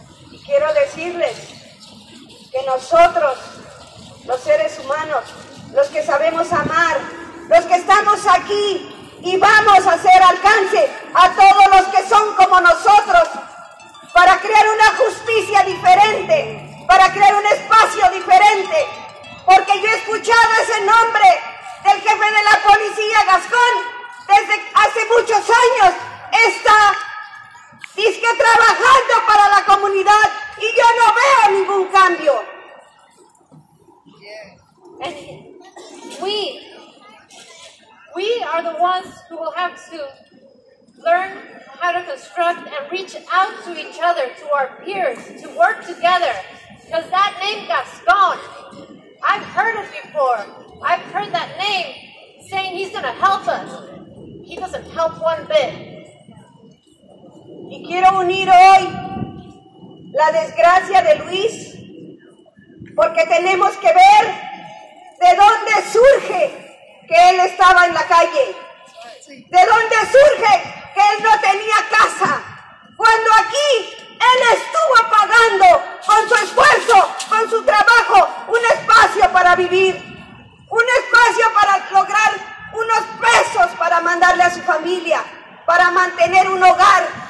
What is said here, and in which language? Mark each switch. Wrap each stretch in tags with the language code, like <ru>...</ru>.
<es>Y quiero decirles que nosotros, los seres humanos, los que sabemos amar, los que estamos aquí y vamos a hacer alcance a todos los que son como nosotros, para crear una justicia diferente, para crear un espacio diferente. Porque yo he escuchado ese nombre del jefe de la policía, Gascón, desde hace muchos años. Está, dizque, trabajando para la comunidad y yo no veo ningún cambio.</es> <en>And we are the ones who will have to learn how to construct and reach out to each other, to our peers, to work together. Because that name Gascon, I've heard it before. I've heard that name saying he's gonna help us. He doesn't help one bit.</en> <es>Y quiero unir hoy la desgracia de Luis, porque tenemos que ver de dónde surge que él estaba en la calle. De dónde surge que él no tenía casa, cuando aquí él estuvo pagando con su esfuerzo, con su trabajo, un espacio para vivir, un espacio para lograr unos pesos para mandarle a su familia, para mantener un hogar.</es>